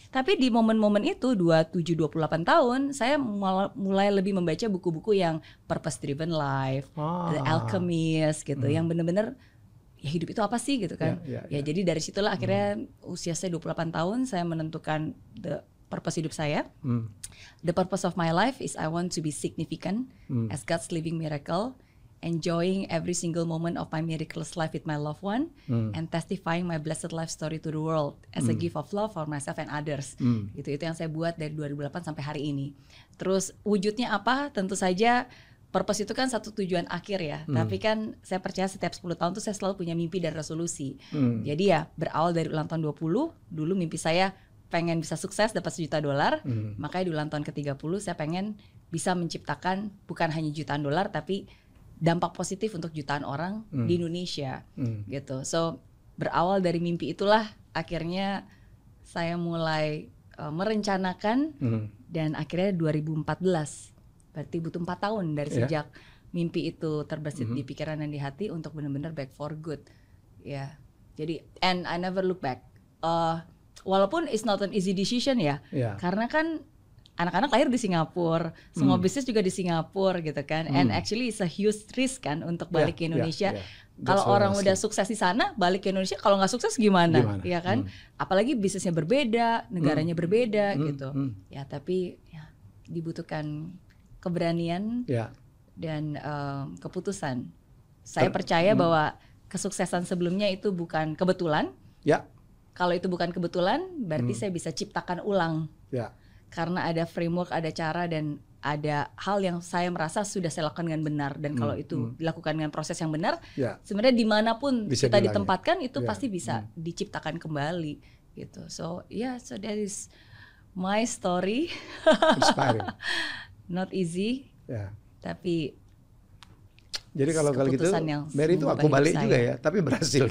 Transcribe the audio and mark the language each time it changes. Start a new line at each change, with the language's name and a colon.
Indonesian: Tapi di momen-momen itu 27-28 tahun saya mulai lebih membaca buku-buku yang purpose driven life, The Alchemist gitu, yang benar-benar ya hidup itu apa sih gitu kan. Jadi dari situlah akhirnya usia saya 28 tahun saya menentukan the purpose hidup saya.
English: The purpose of my life is I want to be significant as God's living miracle, enjoying every single moment of my miraculous life with my loved one, and testifying my blessed life story to the world as a gift of love for myself and others.
Indonesian: Itu yang saya buat dari 2008 sampai hari ini. Terus wujudnya apa? Tentu saja purpose itu kan satu tujuan akhir ya, tapi kan saya percaya setiap 10 tahun tuh saya selalu punya mimpi dan resolusi. Jadi ya berawal dari ulang tahun 20, dulu mimpi saya pengen bisa sukses dapat $1 juta, makanya di ulang tahun ke-30 saya pengen bisa menciptakan bukan hanya jutaan dolar tapi dampak positif untuk jutaan orang di Indonesia gitu. So berawal dari mimpi itulah akhirnya saya mulai merencanakan dan akhirnya 2014. Berarti butuh 4 tahun dari sejak mimpi itu terbesit di pikiran dan di hati untuk benar-benar
English: back for good. Jadi, and I never look back.
Indonesian: Walaupun
English: it's not an easy decision
Indonesian: ya. Karena kan anak-anak lahir di Singapura, semua bisnis juga di Singapura gitu kan.
English: And actually it's a huge risk
Indonesian: kan untuk balik ke Indonesia. Kalau orang udah sukses di sana, balik ke Indonesia kalau nggak sukses gimana? Iya kan? Apalagi bisnisnya berbeda, negaranya berbeda gitu. Ya tapi ya, dibutuhkan keberanian dan keputusan. Saya percaya bahwa kesuksesan sebelumnya itu bukan kebetulan. Ya. Kalau itu bukan kebetulan, berarti saya bisa ciptakan ulang. Ya. Karena ada framework, ada cara, dan ada hal yang saya merasa sudah saya lakukan dengan benar. Dan kalau itu dilakukan dengan proses yang benar, ya, sebenarnya dimanapun bisa kita ditempatkan, itu ya, pasti bisa diciptakan kembali. Gitu.
English: So, yeah, so that is my story. Inspiring. Not easy.
Indonesian: Ya. Tapi... Jadi kalau gitu, Mary itu aku balik saya juga ya, tapi berhasil.